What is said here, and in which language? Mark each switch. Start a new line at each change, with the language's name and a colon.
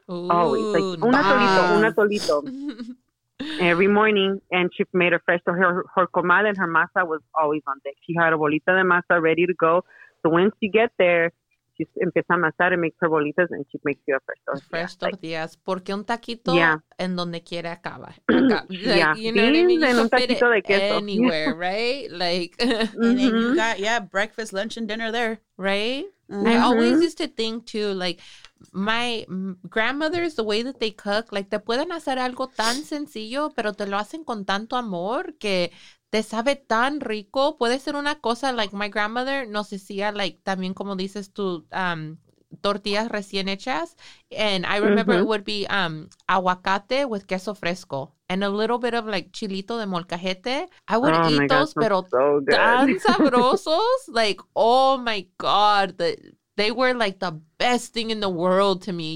English: Ooh, always. Like, un atolito. Every morning. And she made a fresh. So her comal and her masa was always on deck. She had a bolita de masa ready to go. So once you get there, she empieza a amasar and makes her bolitas and she makes you a fresh tortilla. Fresh tortillas.
Spanish: Like, porque un taquito en donde quiera acaba.
English: You know what I mean? You can fit it anywhere, right? Like, mm-hmm. And then you got, breakfast, lunch, and dinner there.
Spanish: Right? Mm-hmm. I always used to think, too, like, my grandmothers, the way that they cook, like, te pueden hacer algo tan sencillo, pero te lo hacen con tanto amor que... Te sabe tan rico. Puede ser una cosa, like my grandmother nos decía, like también como dices tú, tortillas recién hechas.
English: And I remember it would be aguacate with queso fresco and a little bit of like chilito de molcajete.
Spanish: I would eat those, gosh,
English: pero so tan sabrosos. Like, oh my God, they were like the best thing in the world to me.